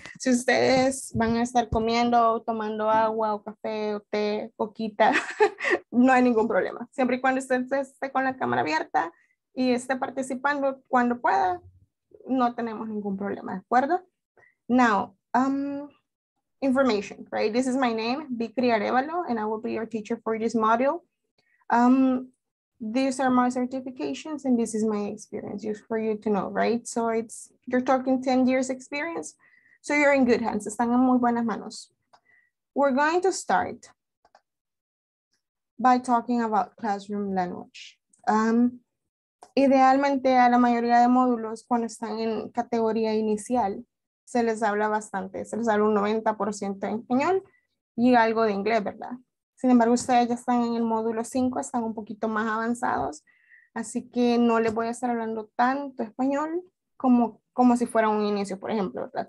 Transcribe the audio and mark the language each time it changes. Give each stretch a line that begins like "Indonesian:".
Spanish: Si ustedes van a estar comiendo, tomando agua o café o té, coquita, no hay ningún problema. Siempre y cuando usted esté con la cámara abierta y esté participando cuando pueda, no tenemos ningún problema, ¿de acuerdo?
English: Now, information, right? This is my name, Vicri Arevalo, and I will be your teacher for this module. These are my certifications and this is my experience just for you to know, right? So it's, you're talking 10 years experience. So you're in good hands.
Spanish: Están en muy buenas manos.
English: We're going to start by talking about classroom language.
Spanish: Idealmente a la mayoría de módulos cuando están en categoría inicial, se les habla bastante. Se les habla un 90% en español y algo de inglés, ¿verdad? Sin embargo, ustedes ya están en el módulo 5, están un poquito más avanzados. Así que no les voy a estar hablando tanto español como si fuera un inicio, por ejemplo, ¿verdad?